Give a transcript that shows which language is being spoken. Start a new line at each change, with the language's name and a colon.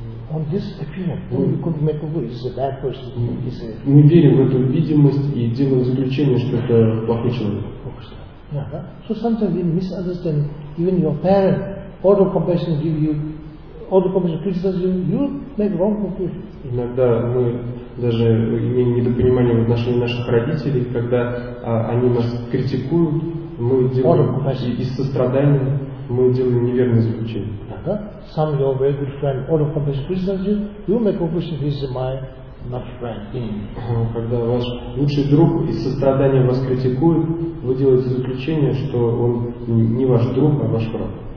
English: on this appearance, we could make a word, it's a bad person.
Russian: Мы верим в эту видимость и делаем заключение, что это плохой человек.
English: Yeah, so sometimes we misunderstand even your parents, all the compassion give you, all the compassion criticize you, you make wrong conclusions.
Russian: Иногда мы даже имеем недопонимание в отношении наших родителей, когда они нас критикуют, мы делаем из сострадания, мы делаем неверное заключение.
English: Some of your very good friends, all the compassion criticize you, you make conclusion this is my not friend.
Russian: Когда ваш лучший друг из сострадания вас критикует, вы делаете заключение, что он не ваш друг, а ваш враг.